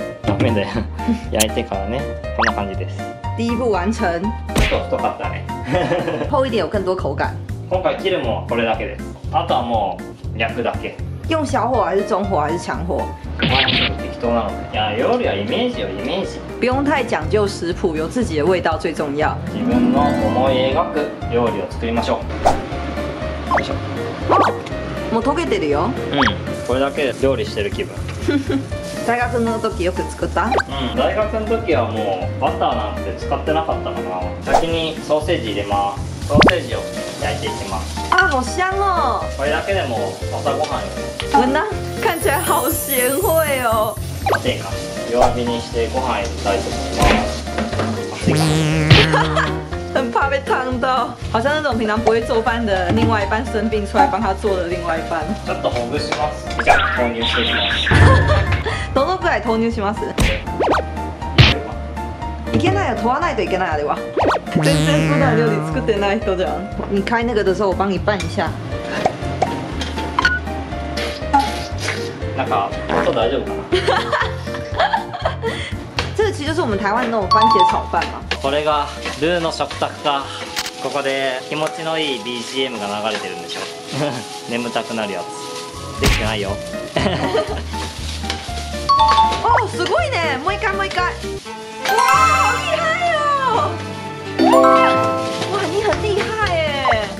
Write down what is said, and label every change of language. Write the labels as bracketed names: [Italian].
[Japanese] ダメだよ。焼いてからね。こんな感じです。 [Chinese] 第一步完成。 [Japanese] ちょっと太かったね。 [Chinese] 厚一点有更多口感。 [Japanese] 今回切るもこれだけです。あとはもう焼くだけ。 [Chinese] 用小火还是中火还是强火？ [Japanese] 適当なの。いや料理はイメージよ、イメージ。 [Chinese] 不用太讲究食谱，有自己的味道最重要。 [Japanese] 自分の思い描く料理を作りましょう。よいしょ。もう溶けてるよ。これだけで料理してる気分。大学の時よく作った？大学の時はもうバターなんて使ってなかったかな。先にソーセージ入れます。ソーセージを焼いていきます。 [Chinese] 啊，好香哦！ [Japanese] これだけでも朝ごはん。 [Chinese] 文丹看起来好贤惠哦。 [Japanese] 熱いか。弱火にしてご飯入れたいと思います。熱いか。 [Chinese] 很怕被烫到，好像那种平常不会做饭的另外一半生病出来帮他做的另外一半。 [Japanese] ちょっとほぐします。じゃあ投入していきます。どのくらい投入します？いけないよ、投わないといけないあれは。全然そんな料理作ってない人じゃん。 [Chinese] 你开那个的时候，我帮你拌一下。 [Japanese] なんか音大丈夫かな？ [Chinese] 这个其实就是我们台湾那种番茄炒饭嘛。 [Japanese] これがルーの食卓か。ここで気持ちのいい BGM が流れてるんでしょ。眠たくなるやつ。できてないよ。お、すごいね。もう一回、もう一回。 [Chinese] 哇，好厉害哦！哇，你很厉害耶！